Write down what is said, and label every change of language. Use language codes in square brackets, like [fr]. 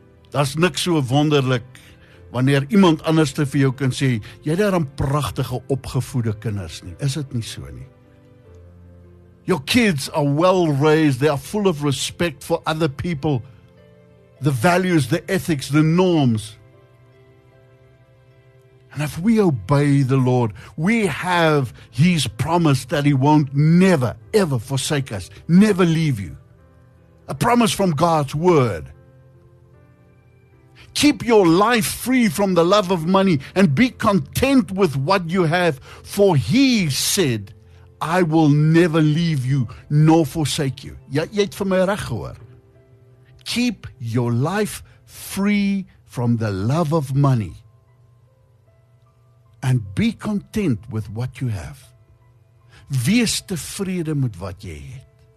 [af] Dat is niks so wonderlik wanneer iemand anders te vir jou kan sê, jy het daarom prachtige opgevoede kinders nie. Is het nie so nie? [en] Your kids are well raised. They are full of respect for other people. The values, the ethics, the norms. And if we obey the Lord, we have His promise that He won't never, ever forsake us, never leave you. A promise from God's Word. Keep your life free from the love of money and be content with what you have, for He said, I will never leave you nor forsake you. [af] Jy het vir my reg gehoor. [en] Keep your life free from the love of money and be content with what you have. [af] Wees tevrede met wat jy het.